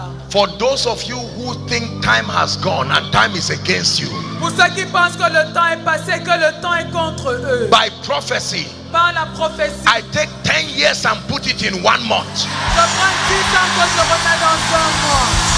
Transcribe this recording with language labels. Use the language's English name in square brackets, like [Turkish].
[English] For those of you who think time has gone and time is against you, [French] pour ceux qui pensent que le temps est passé, que le temps est contre eux, [English] by prophecy, [French] par la prophétie, [English] I take 10 years and put it in 1 month. [French] Je prends 10 ans que je remets dans 1 mois.